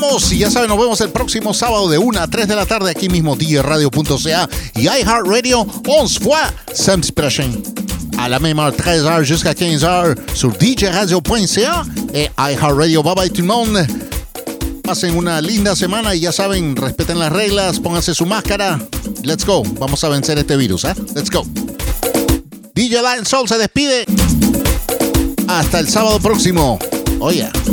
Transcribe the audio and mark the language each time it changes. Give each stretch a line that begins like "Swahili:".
Spanish: y ya saben, nos vemos el próximo sábado de 1 a 3 de la tarde aquí mismo, djradio.ca y iHeartRadio.
French: 11 fois samedi prochain à la même heure, 13h jusqu'à 15h sur djradio.ca et iHeartRadio.
English: Bye bye
French: tout le monde,
Spanish: pasen una linda semana y ya saben, respeten las reglas, pónganse su máscara.
English: Let's go,
Spanish: vamos a vencer este virus, ¿eh? Let's go. DJ Latin Soul se despide hasta el sábado próximo.
English: Oh yeah.